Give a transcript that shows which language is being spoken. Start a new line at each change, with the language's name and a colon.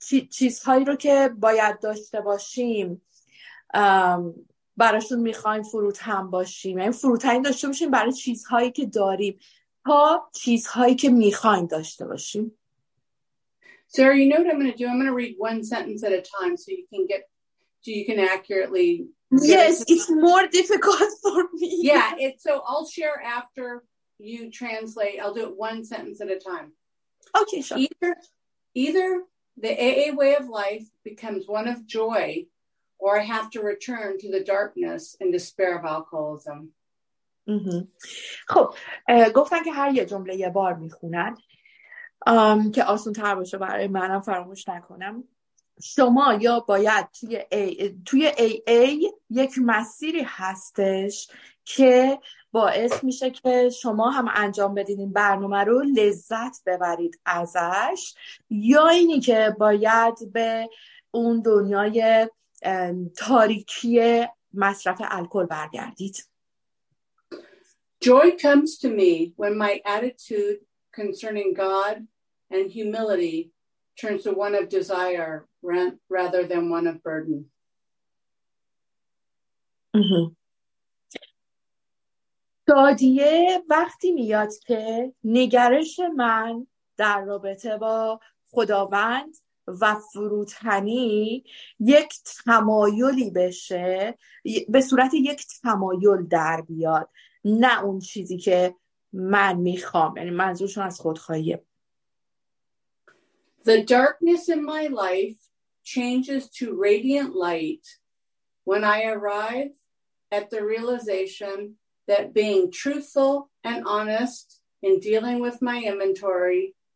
Persian: چیزهایی رو که باید داشته باشیم براشون میخوایم فروتن باشیم، یعنی فروتنی داشته باشیم برای چیزهایی که داریم تا چیزهایی که میخوایم داشته باشیم.
English: Sarah, you know what I'm going to do? I'm going to read one sentence at a time so you can get so you can accurately. Yes, it's more difficult for me. Yeah, it's so I'll share after you translate. I'll do it one sentence at a time. Okay, sure. Either the AA way of life becomes one of joy or I have to return to the darkness and despair of alcoholism.
Persian: خب گفتن که هر یه جمله یه بار میخونن که آسان تر باشه برای منم فراموش نکنم. شما یا باید توی AA یک مسیری هستش که باعث میشه که شما هم انجام بدین این برنامه رو لذت ببرید ازش، یا اینی که باید به اون دنیای تاریکی مصرف الکل برگردید.
English: Joy comes to me when my attitude concerning God and humility turns to one of desire rather than one of burden.
Persian: شادیه وقتی میاد که نگرش من در رابطه با خداوند و فروتنی یک تمایلی بشه، به صورت یک تمایل در بیاد، نه اون چیزی که من میخوام، یعنی منظورشون از خودخواهیه.
English: The darkness in my life changes to radiant light when I arrive at the realization that being truthful and honest in dealing with my inventory.